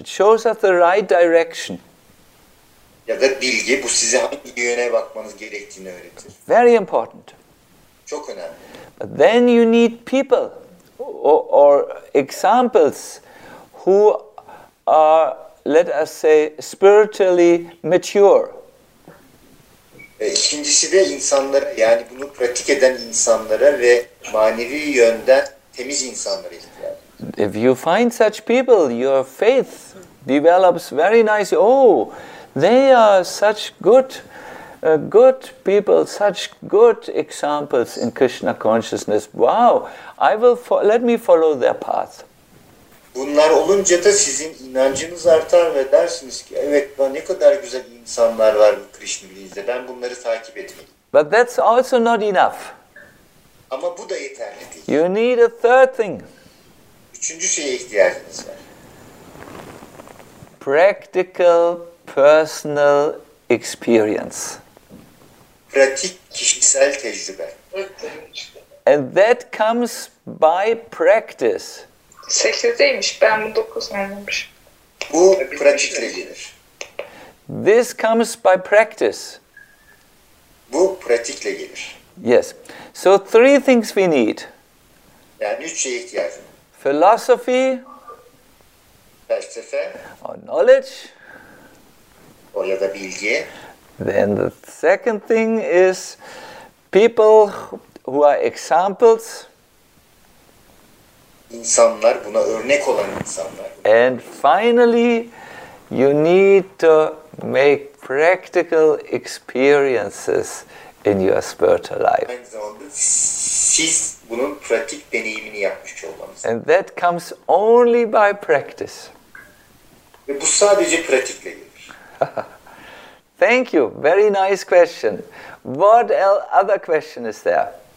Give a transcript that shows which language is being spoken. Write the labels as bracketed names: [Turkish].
[English] It shows us the right direction. [Turkish] Ya da bilgi. Bu size hangi yöne bakmanız gerektiğini öğretir. [English] Very important. [Turkish] Çok önemli. [English] But then you need people or examples who are, let us say, spiritually mature. [Turkish] İkincisi de insanlara, yani bunu pratik eden insanlara ve manevi yönden temiz insanlara ihtiyacımız. [English] If you find such people, your faith develops very nicely. Oh, they are such good people, such good examples in Krishna consciousness. Wow, I will let me follow their path. [Turkish] Bunlar olunca da sizin inancınız artar ve dersiniz ki evet, ben ne kadar güzel insanlar var bu Krishna bilincinde, ben bunları takip etmeliyim. [English] But that's also not enough. [Turkish] Ama bu da yeterli değil. [English] You need a third thing. [Turkish] Üçüncü şeye ihtiyacınız var. [English] Practical personal experience. [Turkish] Pratik kişisel tecrübe. [English] And that comes by practice. [Turkish] 8'deymiş. Ben bunu 9 anlamışım. Bu pratikle gelir. [English] This comes by practice. [Turkish] Bu pratikle gelir. [English] Yes. So three things we need. [Turkish] Yani 3 şeye ihtiyacım. [English] Philosophy. [Turkish] Felsefe. [English] Or knowledge. [Turkish] O ya da bilgi. [English] Then the second thing is people who are examples. [Turkish] İnsanlar, buna örnek olan insanlar. [English] And finally, you need to make practical experiences in your spiritual life. [Turkish] Aynı zamanda siz bunun pratik deneyimini yapmış olmanız. [English] And that comes only by practice. [Turkish] Ve bu sadece pratikle gelir. [English] Thank you. Very nice question. What other question is there?